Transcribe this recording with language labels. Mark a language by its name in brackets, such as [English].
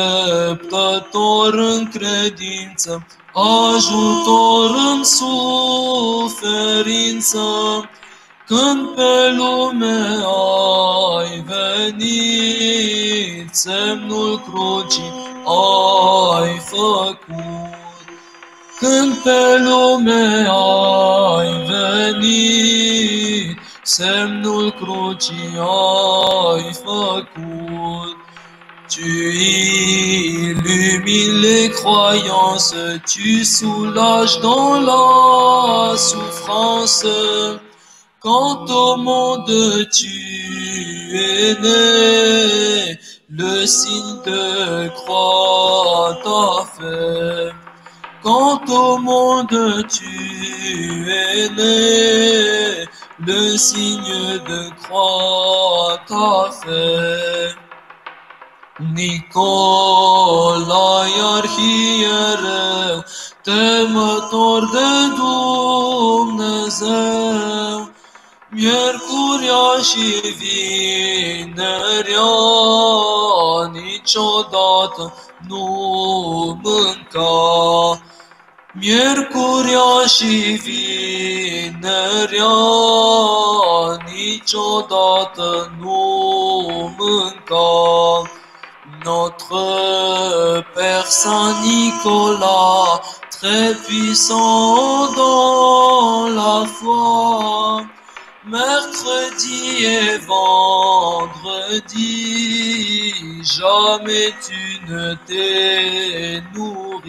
[Romanian] Îndreptător în credință, ajutor în suferință, când pe lume ai venit, semnul crucii ai făcut. Când pe lume ai venit, semnul crucii ai făcut. [French] Tu illumines les croyances, tu soulages dans la souffrance. Quand au monde tu es né, le signe de croix t'a fait. Quand au monde tu es né, le signe de croix t'a fait. [Romanian] Nicolae Arhiereu, temător de Dumnezeu, miercuria și vinerea niciodată nu mânca. Miercuria și vinerea niciodată nu mânca. [French] Notre Père Saint-Nicolas, très puissant dans la foi, mercredi et vendredi, jamais tu ne t'es nous.